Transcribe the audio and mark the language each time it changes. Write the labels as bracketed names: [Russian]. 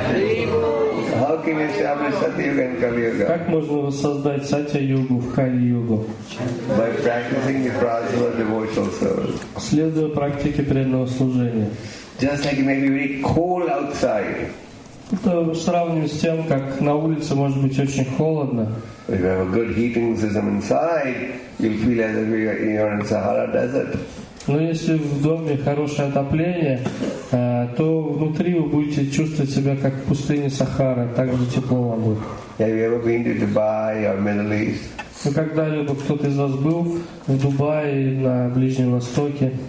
[English] How can you establish Satya-yuga in Kali-yuga? [Russian] Как можно воссоздать Сатья-югу в Кали-югу? [English] By practicing the process of devotional service. [Russian] Следуя практике преданного служения. [English] Just like it may be very cold outside. [Russian] Это сравним с тем, как на улице может быть очень холодно. [English] If you have a good heating system inside, you'll feel as if you're in Sahara Desert. [Russian] Но если в доме хорошее отопление, то внутри вы будете чувствовать себя как в пустыне Сахара, так же тепло вам будет. [English] Have you ever been to Dubai or Middle East? [Russian] Вы когда-либо, кто-то из вас был в Дубае, на Ближнем Востоке?